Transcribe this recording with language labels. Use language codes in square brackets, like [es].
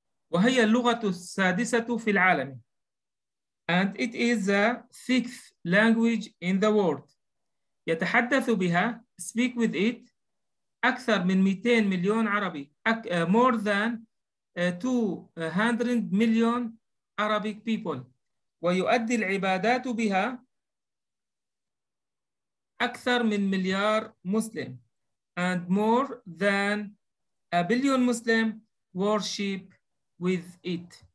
[ar] وهي اللغة السادسة في العالم. [en] And it is the sixth language in the world. [ar] يتحدث بها, [en] speak with it, [ar] أكثر من 200 مليون عربي. [en] More than 200 million Arabic people. [ar] ويؤدي العبادات بها أكثر من مليار مسلم. [en] And more than a billion Muslim worship with it.